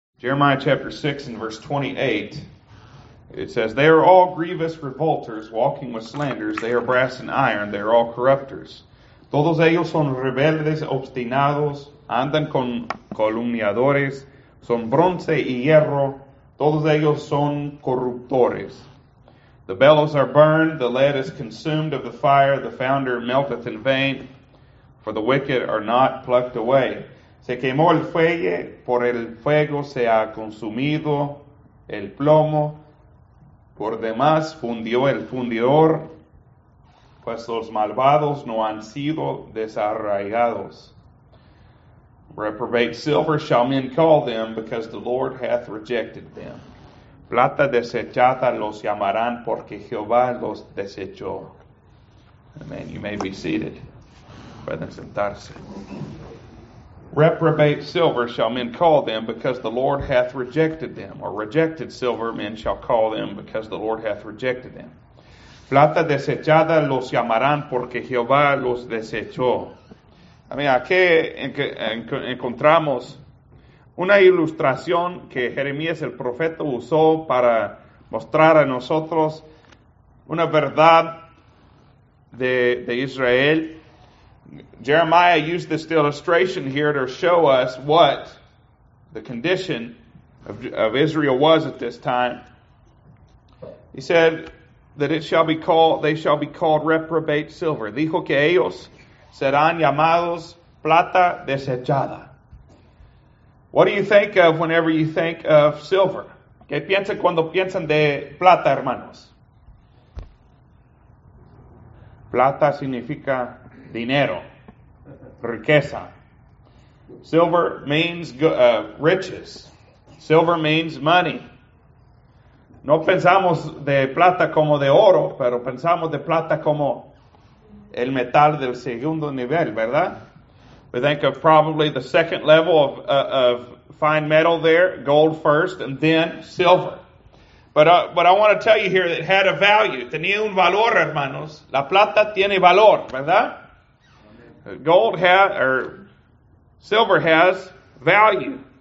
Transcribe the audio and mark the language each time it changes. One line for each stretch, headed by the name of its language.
English: Jeremiah chapter 6 and verse 28, it says, "They are all grievous revolters, walking with slanders. They are brass and iron. They are all corruptors.
Spanish: Todos ellos son rebeldes obstinados, andan con calumniadores, son bronce y hierro. Todos ellos son corruptores.
English: The bellows are burned, the lead is consumed of the fire, the founder melteth in vain, for the wicked are not plucked away.
Spanish: Se quemó el fuelle, por el fuego se ha consumido el plomo, por demás fundió el fundidor, pues los malvados no han sido desarraigados.
English: Reprobate silver shall men call them, because the Lord hath rejected them.
Spanish: Plata desechada los llamarán, porque Jehová los desechó."
English: Amen. You may be seated.
Spanish: Pueden sentarse.
English: "Reprobate silver shall men call them, because the Lord hath rejected them." Or rejected silver men shall call them, because the Lord hath rejected them.
Spanish: Plata desechada los llamarán, porque Jehová los desechó. Amén. Aquí encontramos una ilustración que Jeremías el profeta usó para mostrar a nosotros una verdad de Israel.
English: Jeremiah used this illustration here to show us what the condition of Israel was at this time. He said that they shall be called reprobate silver. Dijo que ellos serán llamados plata desechada. What do you think of whenever you think of silver?
Spanish: ¿Qué piensan cuando piensan de plata, hermanos? Plata significa dinero, riqueza.
English: Silver means riches. Silver means money.
Spanish: No pensamos de plata como de oro, pero pensamos de plata como el metal del segundo nivel, ¿verdad?
English: We think of probably the second level of fine metal there, gold first, and then silver. But I want to tell you here that it had a value.
Spanish: Tenía un valor, hermanos. La plata tiene valor, ¿verdad?
English: Gold has, or silver has value.